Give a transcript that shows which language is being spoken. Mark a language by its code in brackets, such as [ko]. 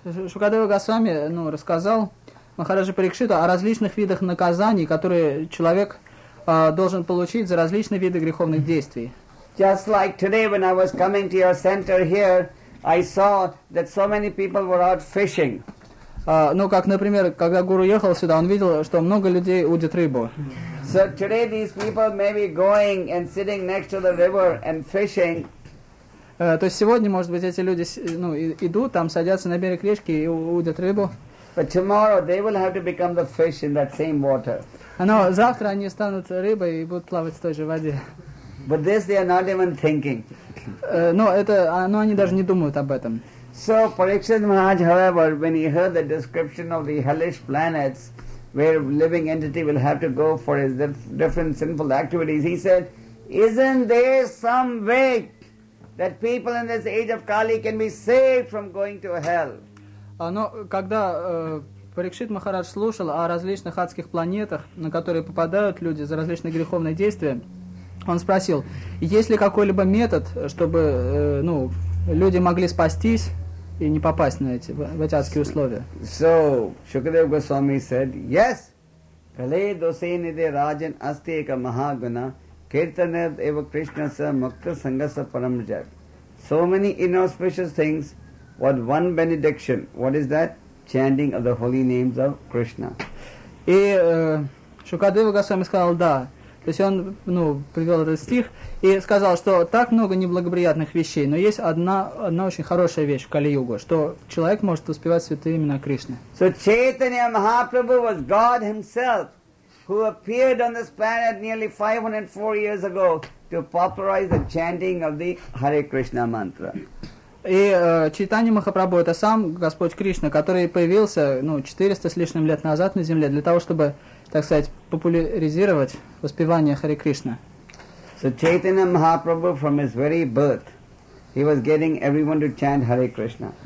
[ru] Шукадева Госвами, ну, рассказал Махараджи Парикшита о различных видах наказаний, которые человек должен получить за различные виды греховных действий. [en] Just like today, when I was coming to your center here, I saw that so many people were out fishing. [ru] Ну, как, например, когда гуру ехал сюда, он видел, что много людей удит рыбу. [en] So today these people may be going and sitting next to the river and fishing. [ru] То есть сегодня, может быть, эти люди, ну, идут, там садятся на берег речки и удят рыбу. [en] But tomorrow they will have to become the fish in that same water. [ru] Но завтра они станут рыбой и будут плавать в той же воде. [en] But this they are not even thinking. [ru] Но это, ну, они даже не думают об этом. [en] So Parikshit Maharaj, however, when he heard the description of the hellish planets, where living entity will have to go for his different sinful activities, he said, "Isn't there some way that people in this age of Kali can be saved from going to hell?" [ru] Но когда Парикшит Махарадж слушал о различных адских планетах, на которые попадают люди за различные греховные действия, он спросил, есть ли какой-либо метод, чтобы ну, люди могли спастись и не попасть на эти, в эти адские условия. [en] So, Shukadev Goswami said, yes, [sa] Kale Dosenide Rajan Astika Mahaguna Kirtanad Eva Krishnasa Makta Sangasa Paramjab. [en] So many inauspicious things, what one benediction, what is that? Chanting of the holy names of Krishna. [ru] И Шукадева Госвами сказал да. То есть он, ну, привел этот стих и сказал, что так много неблагоприятных вещей, но есть одна очень хорошая вещь в Кали-Югу, что человек может успевать святые имена Кришны. [en] So Chaitanya Mahaprabhu was God himself who appeared on this planet nearly 504 years ago to popularize the chanting of the Hare Krishna mantra. [ru] И Чайтанья Махапрабху – это сам Господь Кришна, который появился, ну, 400 с лишним лет назад на Земле для того, чтобы, так сказать, популяризировать воспевание Харе Кришна. [en] So Chaitanya Mahaprabhu from his very birth, he was getting everyone to chant Hare Krishna.